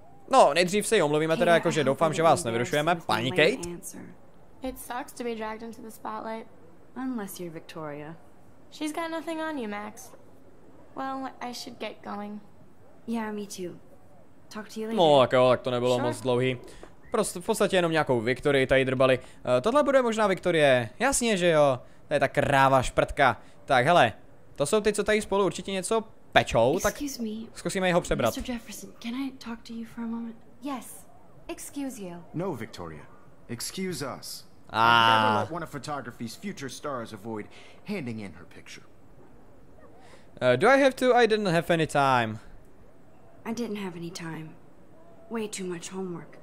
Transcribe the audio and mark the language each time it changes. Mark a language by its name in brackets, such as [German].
[Czech] No, nejdřív se jí omluvíme teda, jakože doufám, že vás nevyrušujeme. Paní Kate? [English] It sucks to be dragged into the spotlight. Unless you're Victoria. She's got nothing on you, Max. Well, I should get going. Yeah, me too. Talk to you later. [Czech] No, tak jo, tak to nebylo moc dlouhý. Prostě v podstatě jenom nějakou Victorii tady drbali. Tohle bude možná Victorie. Jasně, že jo. To je ta kráva šprtka. Tak, hele. To jsou ty, co tady spolu určitě něco pečou, tak zkusíme jeho přebrat. [English] Mr. Jefferson, can I talk to you for a moment? Yes. Excuse you. No, Victoria. Excuse us. Ah. Never let one of photography's future stars avoid handing in her picture. Do I have to? I didn't have any time. I didn't have any time. Way too much homework.